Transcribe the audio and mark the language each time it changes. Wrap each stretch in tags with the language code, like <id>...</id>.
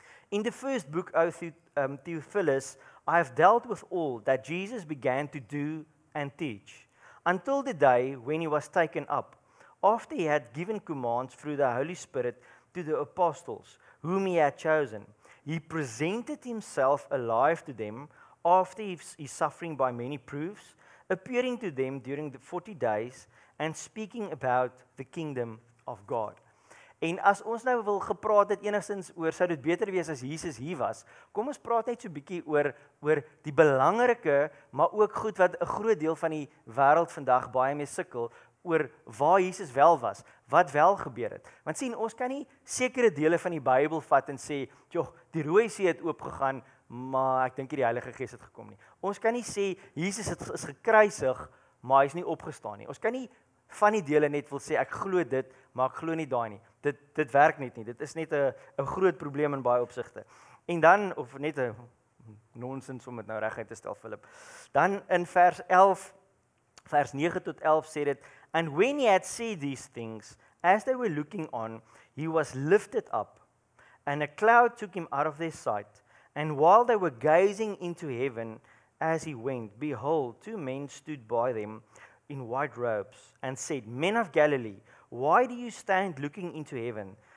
<en>In the first book of Theophilus, I have dealt with all that Jesus began to do and teach, until the day when he was taken up, after he had given commands through the Holy Spirit to the apostles, whom he had chosen. He presented himself alive to them, after his suffering by many proofs, appearing to them during the 40 days, and speaking about the kingdom of God.</en> <af>En as ons nou wil gepraat het enigszins oor, sou dit beter wees as Jesus hier was, kom ons praat net so bietjie oor die belangrike, maar ook goed wat 'n groot deel van die wêreld vandag baie mee sukkel, oor waar Jesus wel was, wat wel gebeur het. Want sien, ons kan nie sekere dele van die Bybel vat en sê, joh, die Rooi See het oopgegaan, maar ek dink die Heilige Gees het gekom nie. Ons kan nie sê, Jesus is gekruisig, maar hy is nie opgestaan nie. Ons kan nie van die dele net wil sê, ek glo dit, maar ek glo nie daai nie. Dit werk net nie, dit is net 'n groot probleem in baie opsigte. En dan, of net 'n nonsens om het nou reguit te stel, Philip, dan in vers 11, vers 9 tot 11 sê dit,</af> <en>and when he had said these things, as they were looking on, he was lifted up, and a cloud took him out of their sight, and while they were gazing into heaven, as he went, behold, two men stood by them in white robes, and said, men of Galilee, why do you stand looking into heaven?</en>